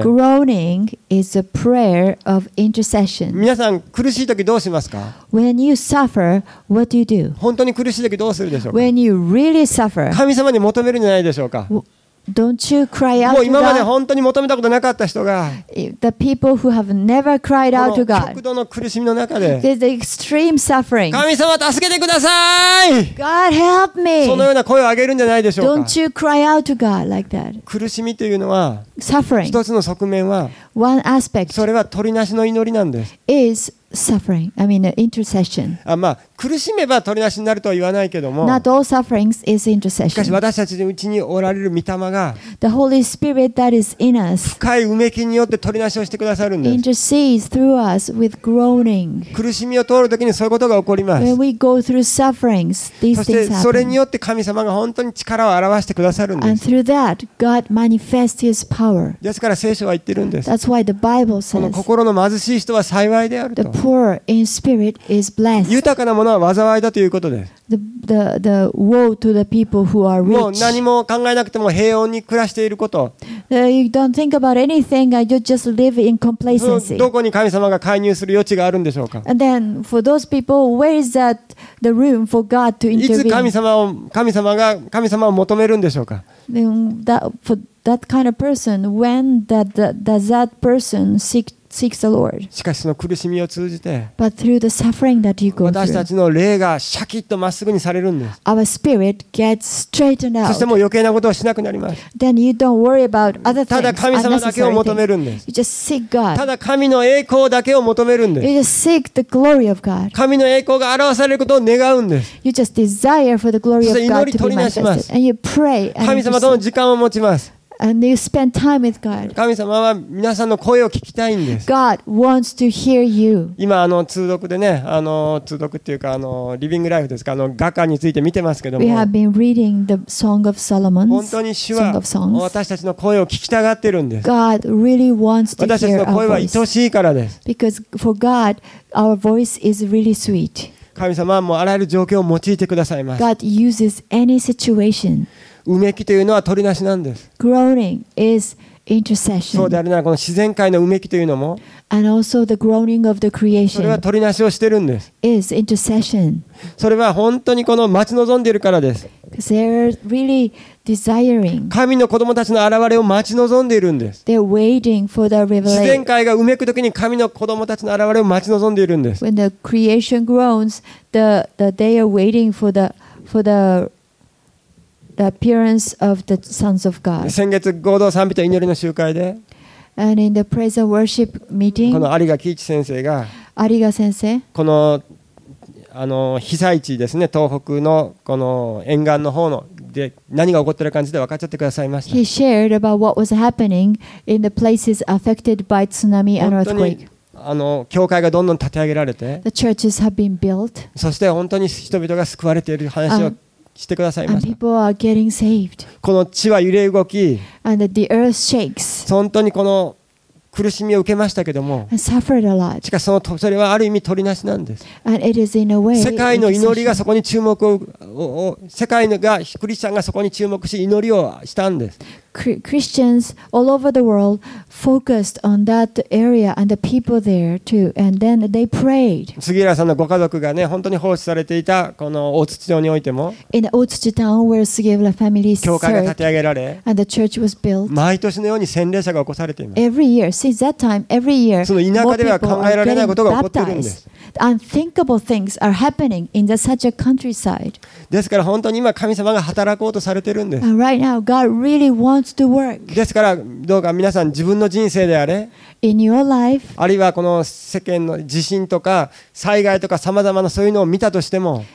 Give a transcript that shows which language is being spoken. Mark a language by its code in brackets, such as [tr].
[en] Groaning is a prayer of intercession. [ja] 皆さん苦しい時どうしますか？ [en] When you suffer, what do you do? [ja] 本当に苦しい時どうするでしょうか？ [en] When you really suffer, [ja] 神様に求めるんじゃないでしょうか？ [en] Don't you cry out to God? [ja] もう今まで本当に求めたことなかった人が、 [en] The people who have never cried out to God. [ja] この極度の苦しみの中で、 [en] There's the extreme suffering. [ja] 神様助けてください。 [en] God help me. [ja] そのような声を上げるんじゃないでしょうか。 [en] Don't you cry out to God like that? [ja] 苦しみというのは、 [en] Suffering. [ja] 一つの側面は、 [en] One aspect. [ja] それは鳥なしの祈りなんです。 [en] Is suffering. I mean intercession. [ja] あ、まあ苦しめば鳥なしになるとは言わないけども。 [en] Not all sufferings is intercession. [ja] しかし私たちのうちにおられる御霊が、 [en] The Holy Spirit that is in us, [ja] 深いうめきによって鳥なしをしてくださるんです。 [en] Intercedes through us with groaning. [ja] 苦しみを通るときにそういうことが起こります。 [en] When we go through sufferings, these things happen. [ja] そしてそれによって神様が本当に力を表してくださるんです。 [en] And through that, God manifests His power. [ja] ですから聖書は言ってるんです。 [en] That's why the Bible says, [ja] この心の貧しい人は幸いであると。 [en] The poor in spirit is blessed. [ja] 豊かなものは災いだということです。 [en] The woe to the people who are rich. [ja] もう何も考えなくても平穏に暮らしていること。 [en] You don't think about anything. You just live in complacency. [ja] どこに神様が介入する余地があるんでしょうか。 [en] And then for those people, where is that the room for God to intervene? [ja] いつ神様を求めるんでしょうか。 [en] Then for that kind of person, when does that person seek the Lord? [ja] しかしその苦しみを通じて、 [en] But through the suffering that you go through, [ja] 私たちの霊がシャキッとまっすぐにされるんです。 [en] Our spirit gets straightened out. [ja] そしてもう余計なことをしなくなります。 [en] Then you don't worry about other things. [ja] ただ神様だけを求めるんです。 [en] You just seek God. [ja] ただ神の栄光だけを求めるんです。 [en] You just seek the glory of God. [ja] 神の栄光が表されることを願うんです。 [en] You just desire for the glory of God to be manifested. [ja] そして祈り取りなします。 [en] And you pray. [ja] 神様との時間を持ちます。 [en] And you spend time with God. [ja] 神様は皆さんの声を聞きたいんです。 [en] God wants to hear you. [ja] 今通読でね、通読っていうかリビングライフですか、画家について見てますけども。 [en] We have been reading the Song of Solomon. [ja] 本当に主は私たちの声を聞きたがってるんです。 [en] God really wants to hear our voice. [ja] 私たちの声は愛しいからです。 [en] Because for God, our voice is really sweet. [ja] 神様はもうあらゆる状況を用いてくださいます。 [en] God uses any situation. [ja] うめきというのは鳥なしなんです。 [en] Groaning is intercession. [ja] そうであるならこの自然界のうめきというのも、 [en] And also the groaning of the creation. [ja] それは鳥なしをしてるんです。 [en] Is intercession. [ja] それは本当にこの待ち望んでいるからです。 [en] Because they're really desiring. [ja] 神の子供たちの現れを待ち望んでいるんです。 [en] They're waiting for the revelation. [ja] 自然界がうめくときに神の子供たちの現れを待ち望んでいるんです。 [en] When the creation groans, they are waiting for the The appearance of the sons of God. [ja] 先月合同賛美と祈りの集会で、 [en] And in the praise and worship meeting, [ja] この有賀喜一先生が、有賀先生、この被災地ですね、東北のこの沿岸の方ので何が起こってる感じで分かっちゃってくださいました。 [en] He shared about what was happening in the places affected by tsunami and earthquake. [ja] 教会がどんどん建て上げられて、 [en] The churches have been built. [ja] そして本当に人々が救われている話を。してくださいました。 [en] And people are getting saved. [ja] この地は揺れ動き、 [en] And the earth shakes. [ja] 本当にこの苦しみを受けましたけども、 [en] And suffered a lot. [ja] しかしそれはある意味鳥なしなんです。 [en] And it is in a way. [ja] 世界の祈りがそこに注目を、世界がクリスチャンがそこに注目し祈りをしたんです。 [en] Christians all over the world focused on that area and the people there too, and then they prayed. [ja] 杉浦さんのご家族がね、本当に奉仕されていたこの大槌町においても、 [en] In the Otsuchi town where Sugiura family served, [ja] 教会が立て上げられ、 [en] And the church was built. [ja] 毎年のように洗礼者が起こされています。 [en] Every year, since that time, every year, [ja] その田舎では考えられないことが起こっているんです。 [en] Unthinkable things are happening in such a countryside. [ja] ですから本当に今神様が働こうとされているんです。 [en] And right now, God really wants to work. [ja] ですからどうか皆さん自分の人生であれ、 [en] in your life, [ja] あるいはこの世間の地震とか災害とかさまざまなそういうのを見たとしても、